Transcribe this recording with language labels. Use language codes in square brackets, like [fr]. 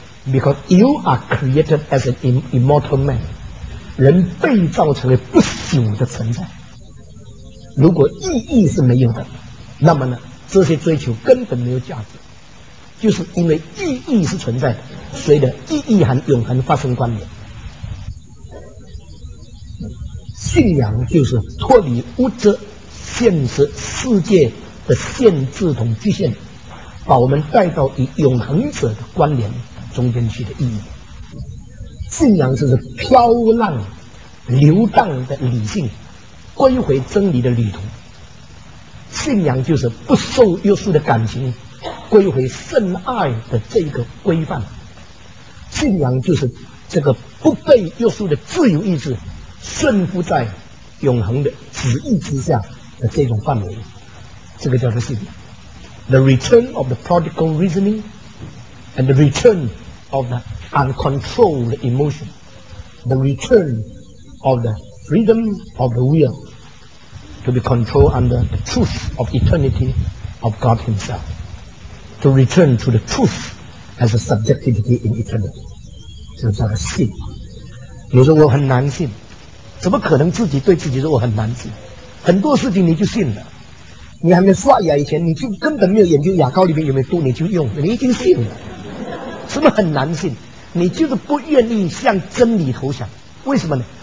[en] Because you are created as an immortal man. [zh] 人被造成为不朽的存在。如果意义是没有的，那么呢，这些追求根本没有价值。就是因为意义是存在的，随着意义和永恒发生关联，信仰就是脱离物质现实世界的限制和局限，把我们带到与永恒者的关联中间去的意义。信仰就是飘浪流荡的理性，归回真理的旅途。信仰就是不受约束的感情，归回圣爱的这个规范。信仰就是这个不被约束的自由意志，顺服在永恒的旨意之下的这种范围，这个叫做信仰。 [en] The return of the prodigal reasoning and the return of the uncontrolled emotion, the return of the freedom of the will to be controlled under the truth of eternity of God Himself, to return to the truth as a subjectivity in eternity, [zh] 这个叫做信仰。有时候我很难信，怎么可能自己对自己说我很难信？很多事情你就信了，你还没刷牙以前，你就根本没有研究牙膏里面有没有毒，你就用，你已经信了。什么很难信？你就是不愿意向真理投降。为什么呢？